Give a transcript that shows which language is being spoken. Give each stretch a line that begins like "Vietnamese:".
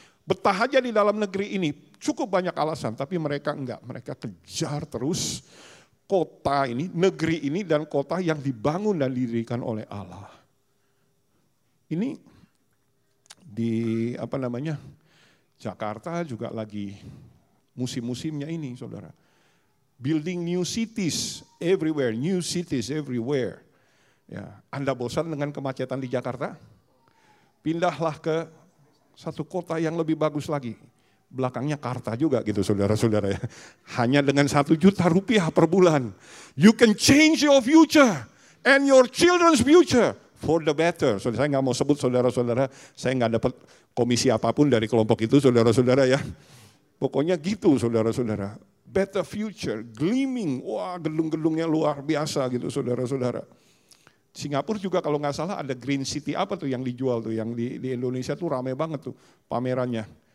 Indonesian: Betah aja di dalam negeri ini, cukup banyak alasan, tapi mereka enggak, mereka kejar terus kota ini, negeri ini, dan kota yang dibangun dan didirikan oleh Allah. Ini di Jakarta juga lagi musim-musimnya ini, saudara.
English: Building new cities everywhere, new cities everywhere.
Indonesian: Ya, Anda bosan dengan kemacetan di Jakarta? Pindahlah ke satu kota yang lebih bagus lagi. Belakangnya Karta juga gitu, saudara-saudara. Ya. Hanya dengan ₹1 juta per bulan.
English: You can change your future and your children's future for the better.
Indonesian: So, saya gak mau sebut saudara-saudara, saya gak dapat komisi apapun dari kelompok itu, saudara-saudara ya. Pokoknya gitu, saudara-saudara.
English: Better future, gleaming,
Indonesian: wah gedung-gedungnya luar biasa gitu, saudara-saudara. Singapura juga kalau gak salah ada Green City apa tuh yang dijual tuh, yang di Indonesia tuh rame banget tuh pamerannya.